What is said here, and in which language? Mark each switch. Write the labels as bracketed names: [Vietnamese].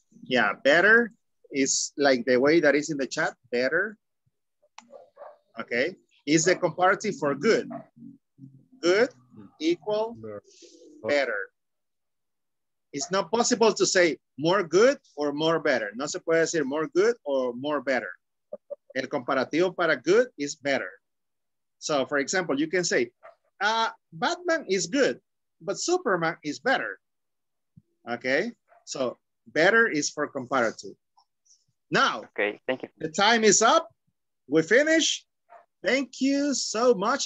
[English] Yeah, better is like the way that is in the chat. Better. Okay. Is the comparative for good. Good equal better. It's not possible to say more good or more better. [Spanish] No se puede decir [English] more good or more better. [Spanish] El comparativo para good [English] is better. So, for example, you can say, Batman is good, but Superman is better. Okay? So, better is for comparative. Now, okay, thank you. The time is up. We finish. Thank you so much.